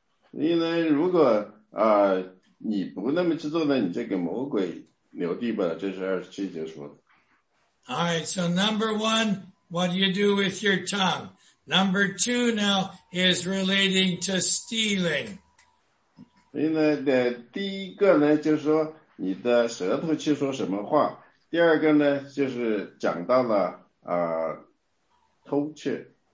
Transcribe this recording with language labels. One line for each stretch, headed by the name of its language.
Chinese: 因为如果你不那么去做呢，你就给魔鬼留地吧，这是27节说的。
English: Alright, so number one, what do you do with your tongue? Number two now is relating to stealing.
Chinese: 因为呢，第一个呢，就是说你的舌头去说什么话，第二个呢，就是讲到了偷窃。